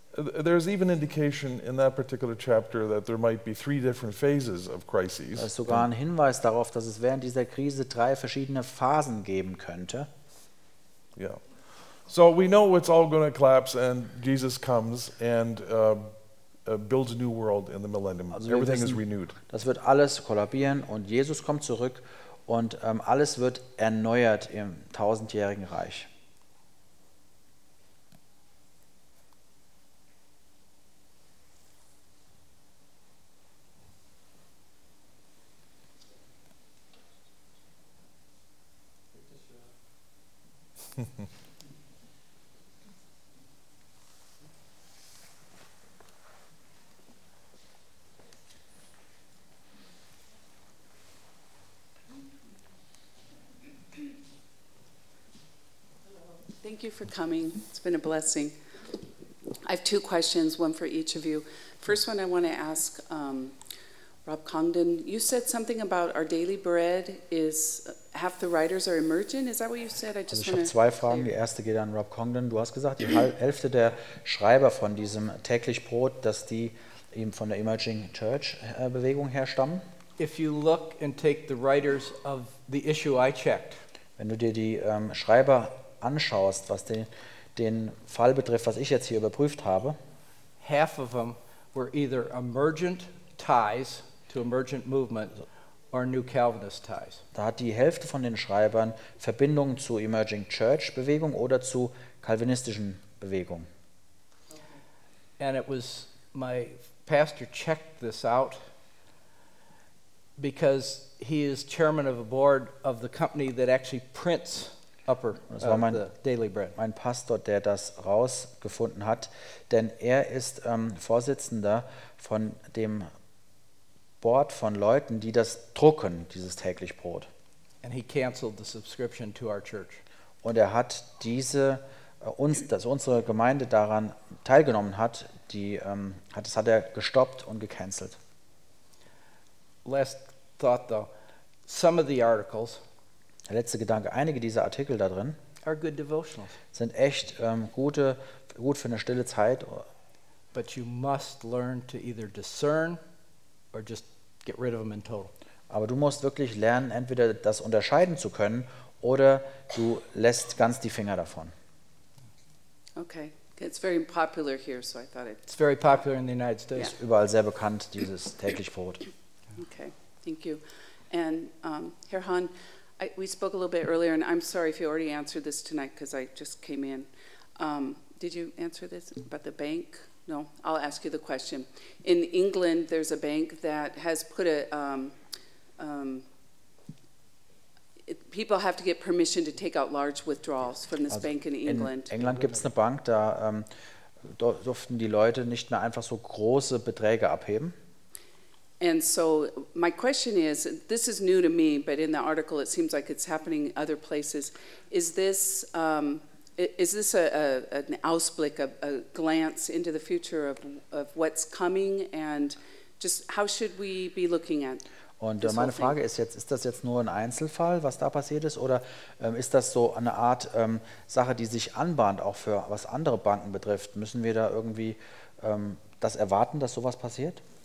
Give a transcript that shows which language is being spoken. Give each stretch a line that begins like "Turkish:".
English: there's even indication in that particular chapter that there might be three different phases of crises.
German: Da ist sogar ein Hinweis darauf, dass es während dieser Krise drei verschiedene Phasen geben könnte.
English: Yeah. So we know it's all going to collapse and Jesus comes and builds a new world in the millennium. Also everything wissen, is renewed.
German: Das wird alles kollabieren und Jesus kommt zurück und alles wird erneuert im tausendjährigen Reich.
English: Thank you for coming. It's been a blessing. I have two questions, one for each of you. First one I want to ask Rob Congdon. You said something about our daily bread is half the writers are emergent. Is that what you said?
German: Ich habe zwei Fragen. Die erste geht an Rob Congdon. Du hast gesagt, die Hälfte der Schreiber von diesem täglich Brot, dass die eben von der Emerging Church Bewegung herstammen.
English: If you look and take the writers of the issue I checked.
German: Wenn du dir die Schreiber anschaust, was den Fall betrifft, was ich jetzt hier überprüft habe.
English: Half of them were either emergent ties to emergent movement or new Calvinist ties.
German: Da hat die Hälfte von den Schreibern Verbindungen zu Emerging Church Bewegung oder zu kalvinistischen Bewegung.
English: And it was my pastor checked this out because he is chairman of a board of the company that actually prints Upper,
German: das war mein,
English: the daily bread.
German: Mein Pastor, der das rausgefunden hat, denn er ist Vorsitzender von dem Board von Leuten, die das drucken, dieses täglich Brot.
English: And he canceled the subscription to our church.
German: Und er hat dass unsere Gemeinde daran teilgenommen hat, das hat er gestoppt und gecancelt.
English: Last thought though, some of the articles.
German: Der letzte Gedanke, einige dieser Artikel da drin
English: are good devotionals.
German: Sind echt gute, gut für eine stille Zeit.
English: But you must learn to either discern or just get rid of them in total.
German: Aber du musst wirklich lernen, entweder das unterscheiden zu können oder du lässt ganz die Finger davon.
English: Okay. It's very popular here, so I thought it's very popular in the United States. Yeah.
German: Überall sehr bekannt, dieses täglich Brot.
English: Okay, thank you. And Herr Hahn, we spoke a little bit earlier, and I'm sorry if you already answered this tonight because I just came in. Did you answer this about the bank? No, I'll ask you the question. In England, there's a bank that has put a... people have to get permission to take out large withdrawals from this bank in England. In England gibt's eine Bank, da durften die Leute nicht mehr einfach so große Beträge abheben. And so my question is, this is new to me, but in the article it seems like it's happening in other places. Is this an Ausblick, a glance into the future of what's coming, and just how should we be looking at?
German: Und meine Frage ist jetzt, ist das jetzt nur ein Einzelfall, was da passiert ist, oder ist das so eine Art Sache, die sich anbahnt, auch für was andere Banken betrifft? Müssen wir da irgendwie das erwarten, dass sowas passiert?